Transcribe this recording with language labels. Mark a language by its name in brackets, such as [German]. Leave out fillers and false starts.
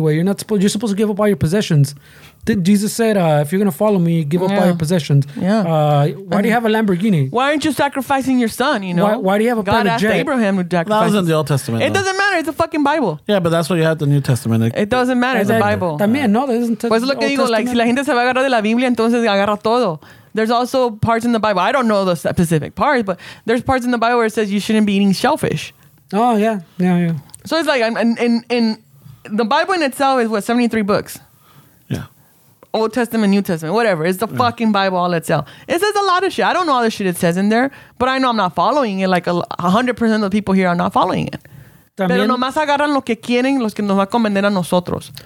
[English] Well, you're supposed to give up all your possessions. Jesus said, if you're going to follow me, give up all your possessions. Yeah. Why do you have a Lamborghini? Why aren't you sacrificing your son, you know? Why do you have a God private jet? God asked Abraham to sacrifice. That was in the Old Testament. It doesn't matter. It's a fucking Bible. Yeah, but that's what you have the New Testament. It doesn't matter. It's a Bible. [Spanish] También, no, [English] that isn't [Spanish] pues lo que digo, like, si la gente se va a agarrar de la Biblia, entonces agarra todo. [English] There's also parts in the Bible. I don't know the specific parts, but there's parts in the Bible where it says you shouldn't be eating shellfish. Oh, yeah. So it's like, in the Bible in itself is, what, 73 books? Old Testament, New Testament, whatever. It's the fucking Bible all itself. It says a lot of shit. I don't know all the shit it says in there, but I know I'm not following it. Like 100% of the people here are not following it. [Spanish] También, pero nomás agarran lo que quieren, los que nos va a convencer a nosotros.